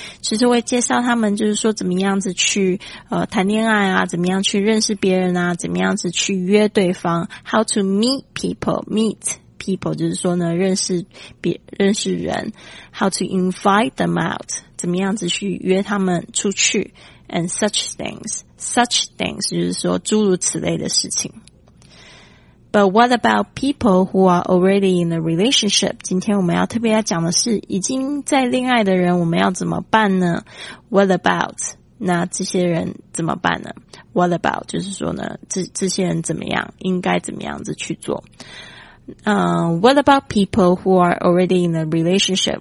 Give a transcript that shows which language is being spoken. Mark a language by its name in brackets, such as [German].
[Chinese] 其实会介绍他们就是说怎么样子去谈恋爱啊，怎么样去认识别人啊，怎么样子去约对方， [English] how to meet people, meet people [Chinese] 就是说呢认识人， [English] how to invite them out, [Chinese] 怎么样子去约他们出去， [English] and such things, such things [Chinese] 就是说诸如此类的事情。 [English] But what about people who are already in a relationship? [Chinese] 今天我们要特别要讲的是已经在恋爱的人我们要怎么办呢？ [English] What about? [Chinese] 那这些人怎么办呢？What about? 就是说呢 这些人怎么样，应该怎么样子去做。 [English] What about people who are already in a relationship?